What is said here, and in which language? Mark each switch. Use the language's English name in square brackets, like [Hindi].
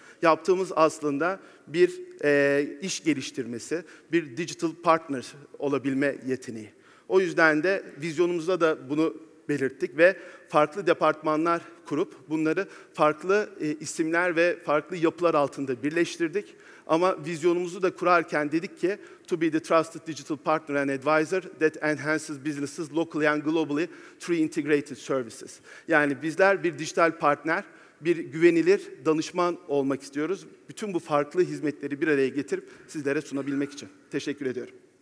[Turkish] Yaptığımız aslında bir iş geliştirmesi, bir digital partner olabilme yeteneği. O yüzden de vizyonumuzda da bunu belirttik ve farklı departmanlar kurup bunları farklı isimler ve farklı yapılar altında birleştirdik. Ama vizyonumuzu da kurarken dedik ki, [English] to be the trusted digital partner and advisor that enhances businesses locally and globally through integrated services. [Turkish] Yani bizler bir dijital partner, bir güvenilir danışman olmak istiyoruz. Bütün bu farklı hizmetleri bir araya getirip sizlere sunabilmek için. Teşekkür ediyorum.